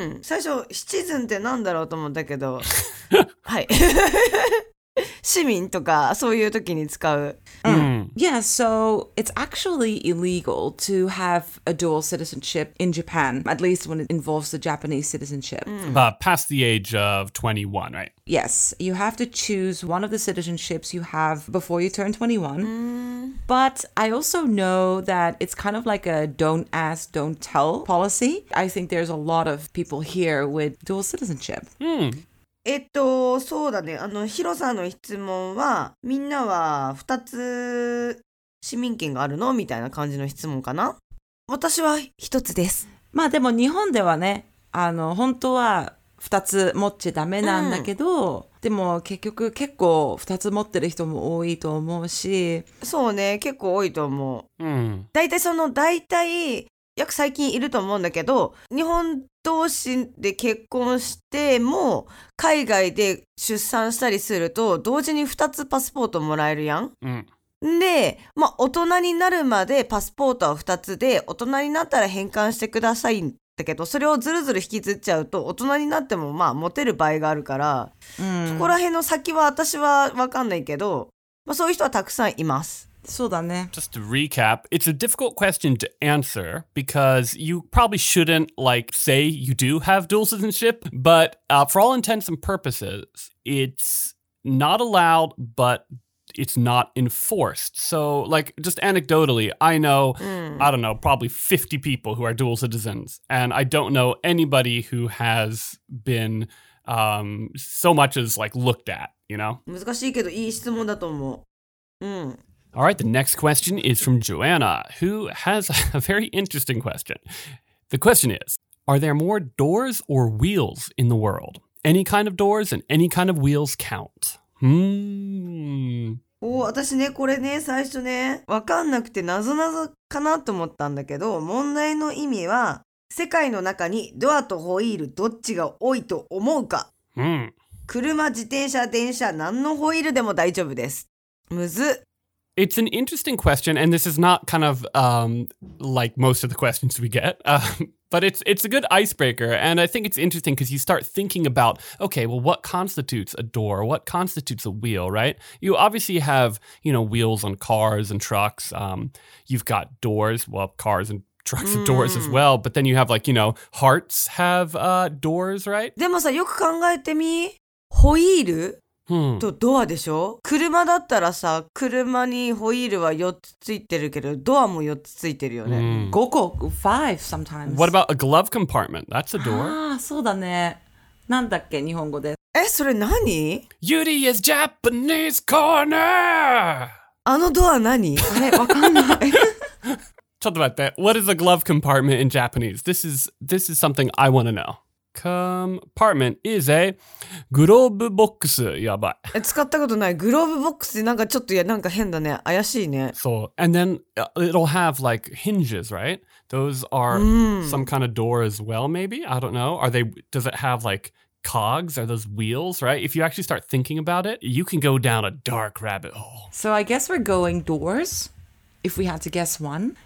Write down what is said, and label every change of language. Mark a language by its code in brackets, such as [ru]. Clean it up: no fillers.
[ja] 最初、シチズンってなんだろうと思ったけど。はい。市民とか、そういう時に使う。うん。うん、 [en] yeah, so it's actually illegal to have a dual citizenship in Japan, at least when it involves the Japanese citizenship.、うん、But past the age of 21, right? Yes. You have to choose one of the citizenships you have before you turn 21.、 [ja] うん [en] But I also know that it's kind of like a don't ask, don't tell policy. I think there's a lot of people here with dual citizenship. Mm. [ja] そうだね。あの、ヒロさんの質問は、みんなは2つ市民権があるの? みたいな感じの質問かな? 私は1つです。まあでも日本ではね、あの、本当は2つ持っちゃダメなんだけど、うんでも結局結構2つ持ってる人も多いと思うしそうね結構多いと思う、うん、だいたいそのだいたい約最近いると思うんだけど日本同士で結婚しても海外で出産したりすると同時に2つパスポートもらえるやん、うん、で、まあ、大人になるまでパスポートは2つで大人になったら返還してくださいだけどそれをずるずる引きずっちゃうと大人になってもまあ持てる場合があるから、うん、そこら辺の先は私は分かんないけど、まあ、そういう人はたくさんいますそうだね。 [en] Just to recap, it's a difficult question to answer because you probably shouldn't like say you do have dual citizenship, but for all intents and purposes, it's not allowed, but it's not enforced. So like just anecdotally, I know, I don't know, probably 50 people who are dual citizens, and I don't know anybody who has been so much as like looked at, you know? [ja] 難しいけどいい質問だと思う。 [en] All right, the next question is from Joanna, who has a very interesting question. The question is, are there more doors or wheels in the world? Any kind of doors and any kind of wheels count. Hmm. [ja] Oh, 私ね、これね、最初ね、分かんなくて謎々かなと思ったんだけど、問題の意味は、世界の中にドアとホイールどっちが多いと思うか。車、自転車、電車、何のホイールでも大丈夫です。むず。 [en] It's an interesting question, and this is not kind of like most of the questions we get. But it's a good icebreaker, and I think it's interesting because you start thinking about, okay, well, what constitutes a door? What constitutes a wheel, right? You obviously have, you know, wheels on cars and trucks. You've got doors, well, cars and trucks and doors as well. But then you have like, you know, hearts have doors, right? [ja] でもさ、よく考えてみ、ホイールとドアでしょ？車だったらさ、車にホイールは4つついてるけど、ドアも4つついてるよね。 [en] 5個、5 sometimes. What about a glove compartment? That's a door. [ja] ああ、そうだね。なんだっけ、日本語で。え、それ何？ [en] Yuri is Japanese corner! [ja] あのドア何？あれ、わかんない。ちょっと待って。 [en] What is a glove compartment in Japanese? This is something I want to know. Compartment is a glove box. [ja] やばい。使ったことない。グローブボックスってなんかちょっといやなんか変だね。怪しいね。 [en] そう。And then it'll have like hinges, right? Those are some kind of door as well, maybe? I don't know. Does it have like cogs? Are those wheels, right? If you actually start thinking about it, you can go down a dark rabbit hole. So I guess we're going doors, if we had to guess one.